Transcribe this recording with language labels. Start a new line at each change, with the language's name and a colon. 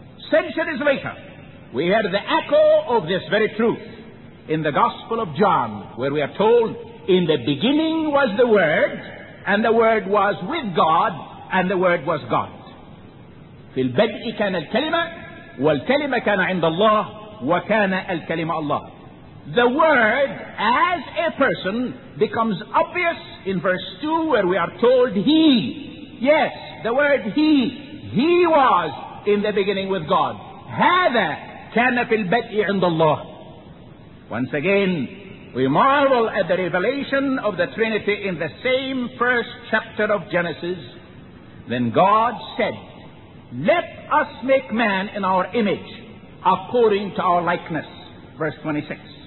English: Centuries later, we hear the echo of this very truth in the Gospel of John, where we are told, "In the beginning was the Word, and the Word was with God, and the Word was God."
Arabic: في البدء كان الكلمة والكلمة كان عند الله وكان الكلمة الله.
English: The word as a person becomes obvious in verse 2 where we are told he. Yes, the word he. He was in the beginning with God.
Arabic: هذا كان في البدء عند الله.
English: Once again, we marvel at the revelation of the Trinity in the same first chapter of Genesis. Then God said, let us make man in our image, according to our likeness. Verse 26.